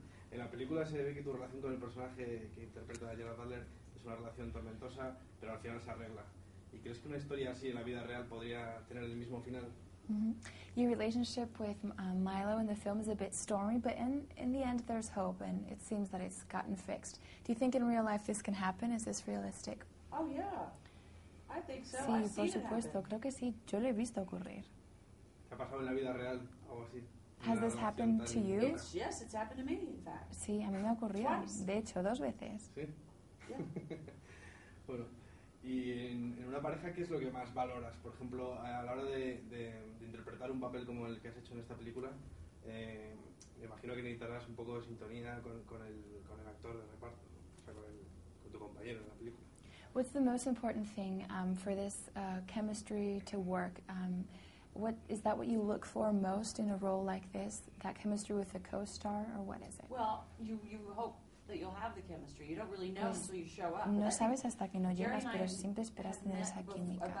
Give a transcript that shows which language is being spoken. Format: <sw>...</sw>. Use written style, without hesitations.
<es>En la película se ve que tu relación con el personaje que interpreta a Gerard Butler es una relación tormentosa, pero al final se arregla. ¿Y crees que una historia así en la vida real podría tener el mismo final? Mm-hmm.</es> <en>Your relationship with Milo in the film is a bit stormy, but in the end there's hope and it seems that it's gotten fixed. Do you think in real life this can happen? Is this realistic? Oh yeah, I think so.</en> <es>Sí, por supuesto, creo que sí. Yo lo he visto ocurrir. ¿Qué ha pasado en la vida real o así?</es> <en>Has this happened to you? Yes, it's happened to me, in fact.</en> <es>Sí, a mí me ha ocurrido. De hecho, dos veces. Sí. Bueno, y en una pareja, ¿qué es lo que más valoras? Por ejemplo, a la hora de interpretar un papel como el que has hecho en esta película, me imagino que necesitarás un poco de sintonía con el actor de reparto, ¿no? O sea, con tu compañero en la película.</es> <en>What's the most important thing for this chemistry to work? What is that? What you look for most in a role like this? That chemistry with a co-star, or what is it? Well, you hope that you'll have the chemistry. You don't really know until you show up.</en> <es>No sabes hasta que no llegas, pero siempre esperas tener esa química.</es>